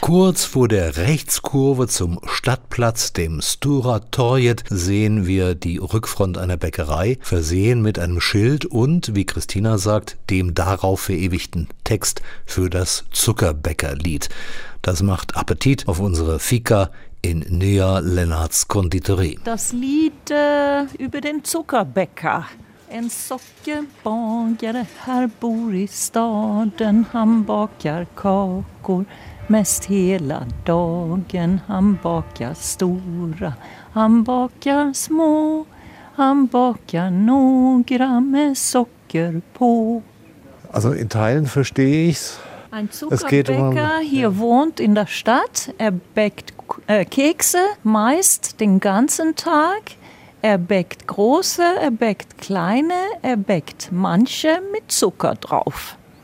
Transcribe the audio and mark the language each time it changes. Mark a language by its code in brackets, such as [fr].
[de] Kurz vor der Rechtskurve zum Stadtplatz, dem Stora Torget, sehen wir die Rückfront einer Bäckerei, versehen mit einem Schild und, wie Christina sagt, dem darauf verewigten Text für das Zuckerbäckerlied. Das macht Appetit auf unsere Fika in Nea Lennarts Konditorie. Das Lied über den Zuckerbäcker. [sv] En sockerbagare här bor i staden, han bakar kakor mest hela dagen. Han bakar stora, han bakar små, han bakar några med socker på. [de] Also in Teilen verstehe ich's. Ein Zuckerbäcker hier wohnt in der Stadt, er bäckt Kekse meist den ganzen Tag. Er bäckt große, er bäckt kleine, er bäckt manche mit Zucker drauf.